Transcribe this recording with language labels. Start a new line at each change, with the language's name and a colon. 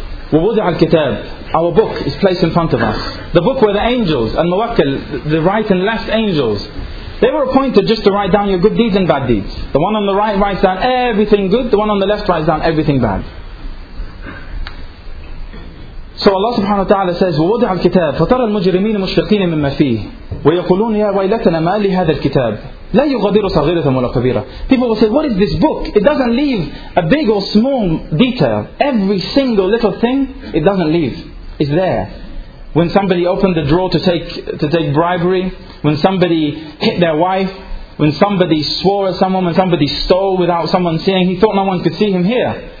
Arabic: وَوُضِعَ الْكِتَابِ.
English: Our book is placed in front of us. The book where the angels and Mawakkil, the right and left angels, they were appointed just to write down your good deeds and bad deeds. The one on the right writes down everything good, the one on the left writes down everything bad. So Allah subhanahu wa ta'ala says,
Arabic: وَوُضِعَ الْكِتَابِ فَتَرَى الْمُجْرِمِينَ مُشْفِقِينَ مِمَّا فِيهِ وَيَقُولُونَ يَا وَيْلَتَنَا مَا لِهَذَا الْكِتَابِ لَا يُغَادِرُ صَغِيرَةً وَلَا كَبِيرَةً.
English: People will say, what is this book? It doesn't leave a big or small detail. Every single little thing, it doesn't leave. It's there. When somebody opened the drawer to take bribery, when somebody hit their wife, when somebody swore at someone, when somebody stole without someone seeing, he thought no one could see him here.